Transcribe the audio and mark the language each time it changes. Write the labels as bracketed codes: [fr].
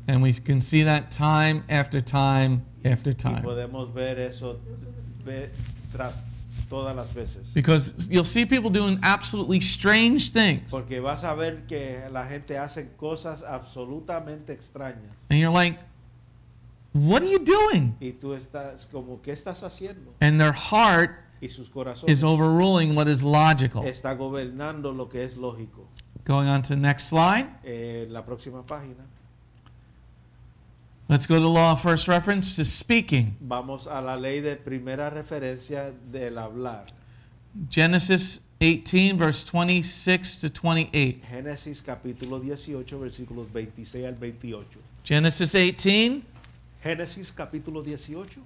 [en] And we can see that time after time after time. [es] Y podemos ver eso tras todas las veces. [en] Because you'll see people doing absolutely strange things. [es] Porque vas a ver que la gente hace cosas absolutamente extrañas. [en] And you're like, what are you doing? [es] Y tú estás como, ¿qué estás haciendo? [en] And their heart [es] y sus corazones [en] is overruling what is logical. [es] Está gobernando lo que es lógico. [en] Going on to the next slide. [es] La próxima página. [en] Let's go to the law of first reference to speaking. [es] Vamos a la ley de primera referencia del hablar. [en] Genesis 18, verse 26 to 28. [es] Génesis capítulo 18, versículos 26 al 28. [en] Genesis 18. [es] Génesis capítulo 18.